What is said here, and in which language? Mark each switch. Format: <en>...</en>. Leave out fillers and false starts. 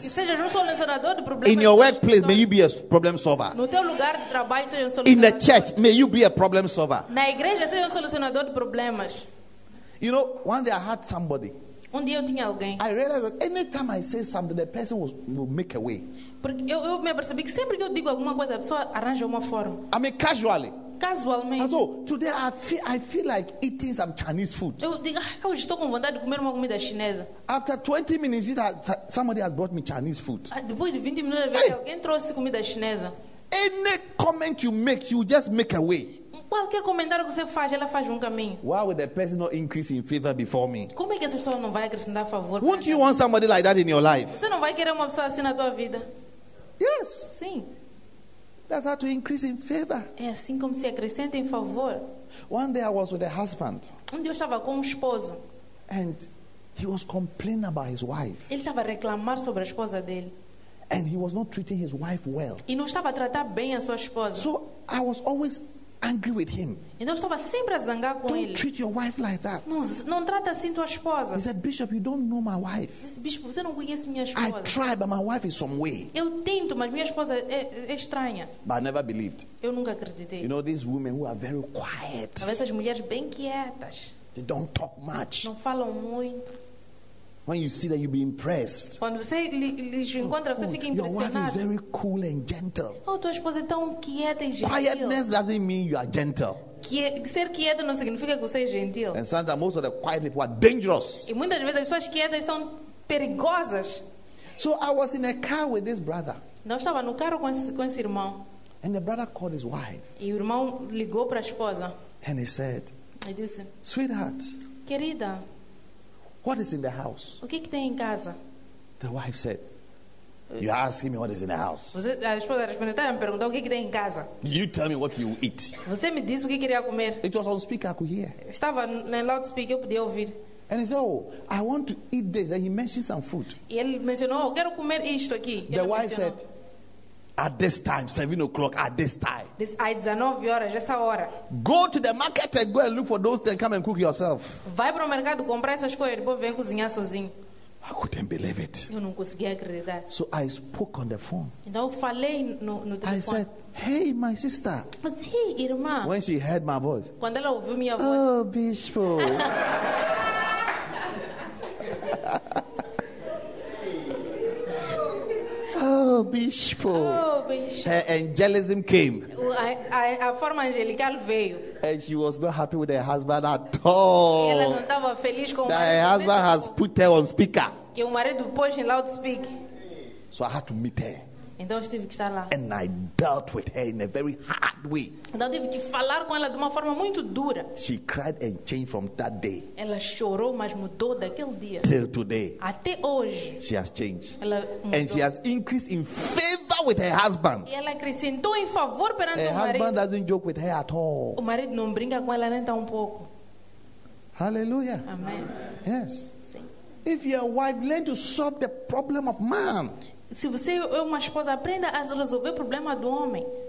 <pt>Que seja solucionador de problemas.</pt> <en>In your workplace, may you be a problem solver.</en> <pt>No teu lugar de trabalho, seja solucionador.</pt> <en>In the church, may you be a problem solver.</en> <pt>Na igreja, seja solucionador de problemas.</pt> <en>You know, one day I had somebody.</en> <pt>Um dia eu tinha alguém.</pt> <en>I realized that any time I say something, the person will make a way.</en> <pt>Porque eu me percebi que sempre que eu digo alguma coisa, a pessoa arranja uma forma.</pt> <en>I mean, casually.</en> <pt>Casualmente.</pt> <en>So today I feel like eating some Chinese food.</en> <pt>Eu digo, eu estou com vontade de comer uma comida chinesa.</pt> <en>After 20 minutes, somebody has brought me Chinese food.</en> <pt>Depois de 20 minutos, alguém trouxe comida chinesa.</pt> <en>Any comment you make, you just make a way.</en> <pt>Qualquer comentário que você faz, ela faz um caminho.</pt> <en>Why would the person not increase in favor before me?</en> <pt>Como é que essa pessoa não vai acrescentar favor?</pt> <en>Won't you want somebody like that in your life?</en> <pt>Você não vai querer uma pessoa assim na tua vida?</pt> <en>Yes.</en> <pt>Sim.</pt> <en>That's how to increase in favor.</en> <pt>É assim como se acrescenta em favor.</pt> <en>One day I was with a husband.</en> <pt>Um dia eu estava com um esposo.</pt> <en>And he was complaining about his wife.</en> <pt>Ele estava a reclamar sobre a esposa dele.</pt> <en>And he was not treating his wife well.</en> <pt>E não estava a tratar bem a sua esposa.</pt> <en>So I was always angry with him.</en> <pt>Então estava sempre a zangar com</pt> <en>don't</en> <pt>ele.</pt> <en>Treat your wife like that.</en> <pt>Não trata assim tua esposa.</pt> <en>He said, "Bishop, you don't know my wife."</en> <pt>Bispo, você não conhece minha esposa.</pt> <en>I try, but my wife is some way.</en> <pt>Eu tento, mas minha esposa é estranha.</pt> <en>But I never believed.</en> <pt>Eu nunca acreditei.</pt> <en>You know these women who are very quiet.</en> <pt>Essas mulheres bem quietas.</pt> <en>They don't talk much.</en> <pt>Não falam muito.</pt> <en>When you see that, you'll be impressed.</en> <pt>Quando você lhes encontra, você fica impressionado.</pt> <en>Your wife is very cool and gentle.</en> <pt>Oh, tua esposa é tão quieta e gentil.</pt> <en>Quietness doesn't mean you are gentle.</en> <pt>Ser quieto não significa que você é gentil.</pt> <en>And sometimes most of the quiet people are dangerous.</en> <pt>E muitas vezes as pessoas quietas são perigosas.</pt> <en>So I was in a car with this brother.</en> <pt>Não estava no carro com esse irmão.</pt> <en>And the brother called his wife.</en> <pt>E o irmão ligou para a esposa.</pt> <en>And he said,</en> <pt>I disse,</pt> <en>"Sweetheart."</en> <pt>Querida.</pt> <en>What is in the house?</en> <pt>O que tem em casa?</pt> <en>The wife said, "You're asking me what is in the house."</en> <pt>Você, a esposa respondeu, está a me perguntar o que tem em casa.</pt> <en>Did you tell me what you eat?</en> <pt>Você me disse o que queria comer.</pt> <en>It was on speaker, I could hear.</en> <pt>Estava no loudspeaker, eu podia ouvir.</pt> <en>And he said, "Oh, I want to eat this." And he mentioned some food.</en> <pt>E ele mencionou, eu quero comer isto aqui.</pt> <en>The wife</en> <pt>mencionou.</pt> <en>Said, "At this time, 7 o'clock. At this time." This is 19 horas.</en> <pt>Essa hora.</pt> <en>Go to the market and go and look for those things. Come and cook yourself.</en> <pt>Vai para o mercado comprar essas coisas. Depois vem cozinhar sozinho.</pt> <en>I couldn't believe it.</en> <pt>Eu não conseguia acreditar.</pt> <en>So I spoke on the phone.</en> <pt>Então eu falei no telefone.</pt> <en>I said, "Hey, my sister."</en> <pt>Mas, hey, irmã.</pt> <en>When she heard my voice.</en> <pt>Quando ela ouviu minha voz. Oh, bispo. Bispo. Oh, bispo.</pt> <en>Her angelism came.</en> <pt>A forma angelical veio.</pt> <en>And she was not happy with her husband at all.</en> <pt>Ela não estava feliz com o marido.</pt> <en>That her husband has put her on speaker.</en> <pt>Que o marido pôs em loudspeaker.</pt> <en>So I had to meet her.</en> <pt>Então eu tive que estar lá.</pt> <en>And I dealt with her in a very hard way.</en> <pt>Então eu tive que falar com ela de uma forma muito dura.</pt> <en>She cried and changed from that day.</en> <pt>Ela chorou, mas mudou daquele dia.</pt> <en>Till today.</en> <pt>Até hoje.</pt> <en>She has changed.</en> <pt>Ela mudou.</pt> <en>And she has increased in favor with her husband.</en> <pt>E ela acrescentou em favor perante o marido.</pt> <en>Her husband doesn't joke with her at all.</en> <pt>O marido não brinca com ela nem tão pouco.</pt> <en>Hallelujah.</en> <pt>Amen.</pt> <en>Yes.</en> <pt>Sim.</pt> <en>If your wife learns to solve the problem of man.</en> <pt>Se você é uma esposa, aprenda a resolver o problema do homem.</pt>